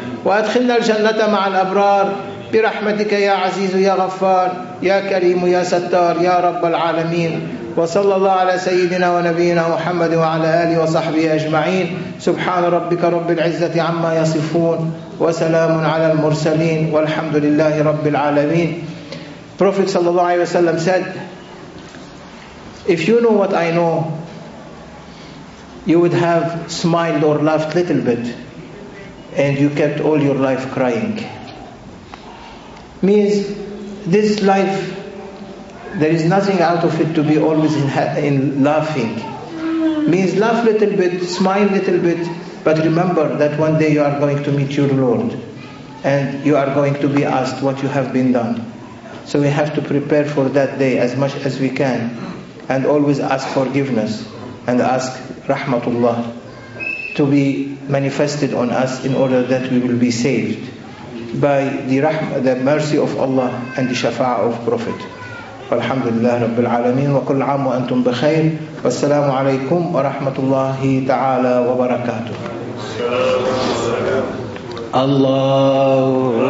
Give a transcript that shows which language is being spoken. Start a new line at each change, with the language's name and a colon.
Arabic: وأدخلنا الجنة مع الأبرار برحمتك يا عزيز يا غفار يا كريم يا ستار يا رب العالمين وصلى الله على سيدنا ونبينا محمد وعلى آله وصحبه أجمعين سبحان ربك رب العزة عما يصفون وسلام على المرسلين والحمد لله رب العالمين
English: Prophet sallallahu alaihi wasallam said, if you know what I know, you would have smiled or laughed a little bit and you kept all your life crying. Means this life, there is nothing out of it to be always in laughing. Means laugh a little bit, smile a little bit, but remember that one day you are going to meet your Lord and you are going to be asked what you have been done. So we have to prepare for that day as much as we can. and always ask forgiveness and ask Rahmatullah to be manifested on us in order that we will be saved by the rahmah, the mercy of Allah and the shafa'ah of Prophet.
Arabic: الحمد لله رب العالمين وكل عام وأنتم بخير والسلام عليكم ورحمة الله تعالى وبركاته الله